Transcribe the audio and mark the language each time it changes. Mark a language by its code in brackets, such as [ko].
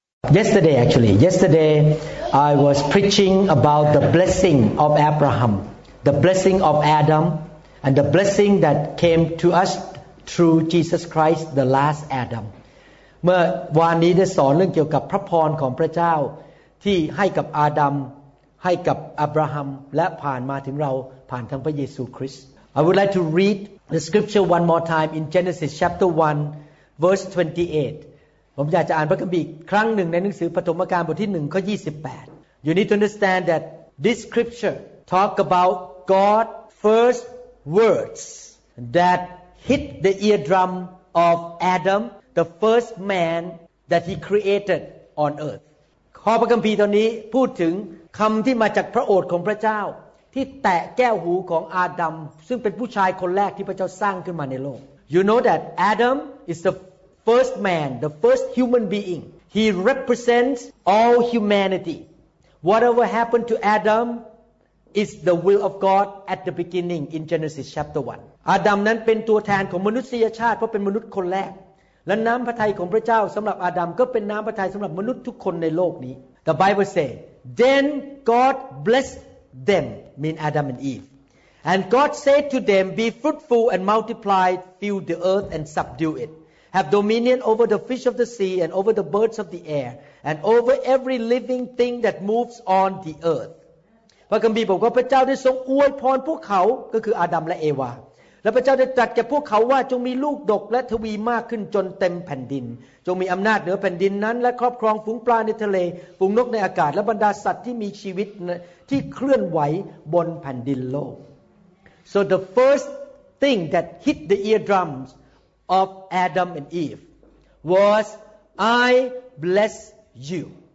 [en] Yesterday, I was preaching about the blessing of Abraham, the blessing of Adam, and the blessing that came to us through Jesus Christ, the last Adam. [th] เมื่อวานนี้ได้สอนเรื่องเกี่ยวกับพระพรของพระเจ้าที่ให้กับอาดัม ให้กับอับราฮัมและผ่านมาถึงเราผ่านทางพระเยซูคริสต์ [en] I would like to read the scripture one more time in Genesis chapter 1 verse 28 [th] ผมอยากจะอ่านพระคัมภีร์ครั้งหนึ่งในหนังสือปฐมกาลบทที่1ข้อ28 [en] You need to understand that this scripture talk about God's first words that hit the eardrum of Adam, the first man that he created on earth. [th] ข้อพระคัมภีร์ตอนนี้พูดถึงคำที่มาจากพระโอษฐ์ของพระเจ้าที่แตะแก้วหูของอาดัมซึ่งเป็นผู้ชายคนแรกที่พระเจ้าสร้างขึ้นมาในโลก [en] You know that Adam is theFirst man, the first human being. He represents all humanity. Whatever happened to Adam is the will of God at the beginning in Genesis chapter 1. [th] Adam นั้นเป็นตัวแทนของมนุษยชาติเพราะเป็นมนุษย์คนแรกและน้ำพระทัยของพระเจ้าสำหรับอาดัมก็เป็นน้ำพระทัยสำหรับมนุษย์ทุกคนในโลกนี้ [en] The Bible says, Then God blessed them, mean Adam and Eve. And God said to them, Be fruitful and multiply, fill the earth and subdue it. Have dominion over the fish of the sea and over the birds of the air and over every living thing that moves on the earth. [th] พระคัมภีร์บอกว่าพระเจ้าได้ทรงอวยพรพวกเขาก็คืออาดัมและเอวาและพระเจ้าได้ตรัสแก่พวกเขาว่าจงมีลูกดกและทวีมากขึ้นจนเต็มแผ่นดินจงมีอำนาจเหนือแผ่นดินนั้นและครอบครองฝูงปลาในทะเลฝูงนกในอากาศและบรรดาสัตว์ที่มีชีวิตที่เคลื่อนไหวบนแผ่นดินโลก [en] So the first thing that hit the eardrumsOf Adam and Eve was I bless you.